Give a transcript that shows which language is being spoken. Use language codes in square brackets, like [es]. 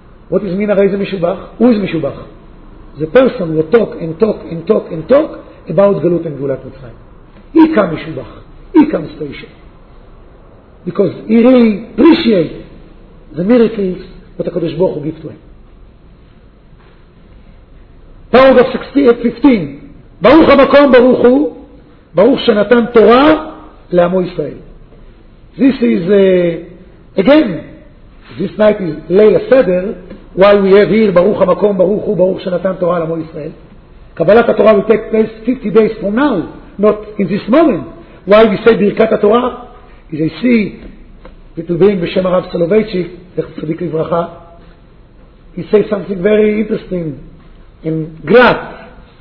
[en] What is mean [he] הרי זה משובח? [en] Who is משובח? The person will talk and talk and talk and talk about גלות and [he] גבולת מצרים. [en] He comes משובח. He comes special. Because he really appreciates the miracles that הקדוש ברוך הוא gives to him. Paragraph 15. [he] ברוך המקום ברוך הוא, ברוך שנתן תורה לעמו ישראל. [en] This is again, this night is Leila Seder, while we have here Baruch HaMakom, Baruch Hu, Baruch Shanatan Torah Lamo Yisrael. Kabbalat HaTorah will take place 50 days from now, not in this moment. Why we say Birkat HaTorah? As I see, it will be in B'Shem HaRav Soloveitchik, Lech Tzadik Livracha, he says something very interesting and glad.